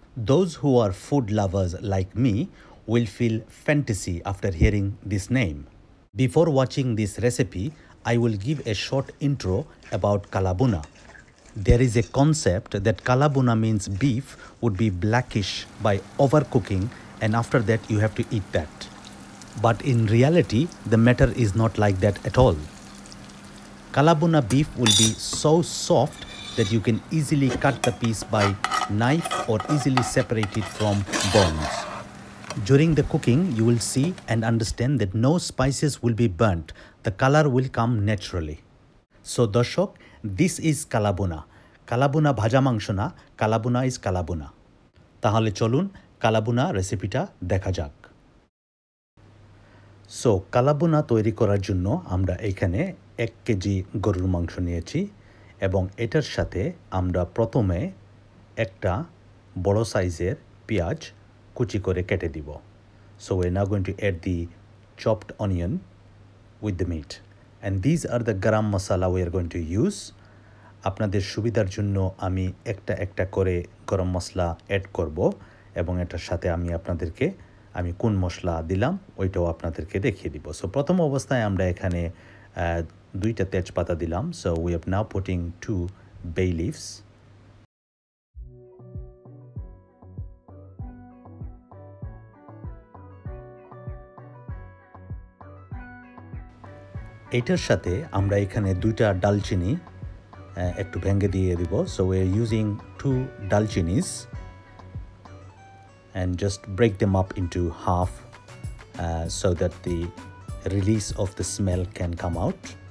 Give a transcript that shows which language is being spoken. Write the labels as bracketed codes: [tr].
[en] Those who are food lovers like me will feel fantasy after hearing this name. Before watching this recipe I will give a short intro about kala bhuna. There is a concept that kala bhuna means beef would be blackish by over cooking and after that you have to eat that. But in reality, the matter is not like that at all. Kala bhuna beef will be so soft that you can easily cut the piece by knife or easily separate it from bones. During the cooking, you will see and understand that no spices will be burnt. The color will come naturally. So darshok, this is kala bhuna. [bn] Kala bhuna bhaja mangsho na, [en] kala bhuna is kala bhuna. [bn] Tahole cholun, kala bhuna রেসিপিটা দেখা যাক। So kala bhuna তৈরি করার জন্য আমরা এখানে 1 KG গরুর মাংস নিয়েছি এবং এটার সাথে আমরা প্রথমে একটা বড় সাইজের পেঁয়াজ কুচি করে কেটে দিব। [en] So we are now going to add the chopped onion with the meat and these are the garam masala we are going to use. [bn] আপনাদের সুবিধার জন্য আমি একটা একটা করে গরম মশলা অ্যাড করব এবং এটার সাথে আমি আপনাদেরকে আমি কোন মশলা দিলাম ওইটাও আপনাদেরকে দেখিয়ে দিব। সো প্রথম অবস্থায় আমরা এখানে 2টা তেজপাতা দিলাম। [en] So we have now putting 2 bay leaves. [bn] এটার সাথে আমরা এখানে 2টা ডালচিনি একটু ভেঙে দিয়ে দিব। [en] So we are using 2 ডালচিনিস and just break them up into half so that the release of the smell can come out.